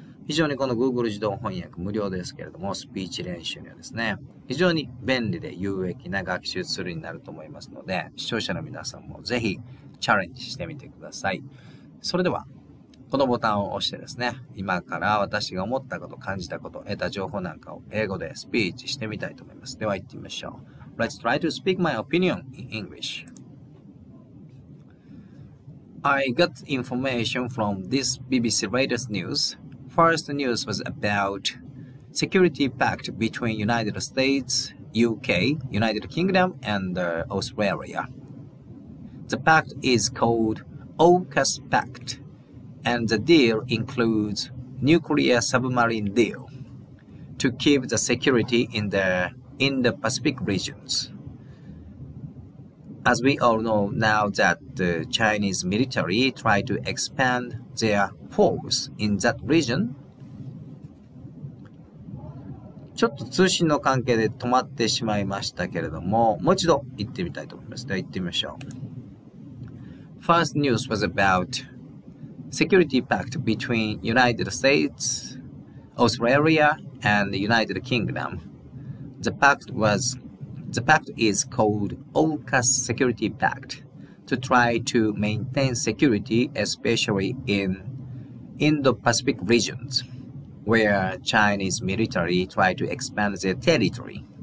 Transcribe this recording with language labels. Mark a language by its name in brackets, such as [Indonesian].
[Japanese] 非常にこの Google 自動翻訳無料ですけれども、スピーチ練習にはですね、非常に便利で有益な学習ツールになると思いますので、視聴者の皆さんもぜひチャレンジしてみてください。それでは、このボタンを押してですね、今から私が思ったこと、感じたこと、得た情報なんかを英語でスピーチしてみたいと思います。では行ってみましょう。 [English] Let's try to speak my opinion in English. I got information from this BBC latest news. First news was about security pact between United States, UK, United Kingdom and Australia. The pact is called AUKUS pact and the deal includes nuclear submarine deal to keep the security in the Indo-Pacific regions. As we all know now that the Chinese military tried to expand their force in that region. [Japanese] ちょっと通信の関係で止まってしまいましたけれども、もう一度行ってみたいと思います。では行ってみましょう。 [English] First news was about security pact between United States, Australia and the United Kingdom. The pact wasThe pact is called AUKUS Security Pact to try to maintain security, especially in Indo-Pacific regions where Chinese military try to expand their territory.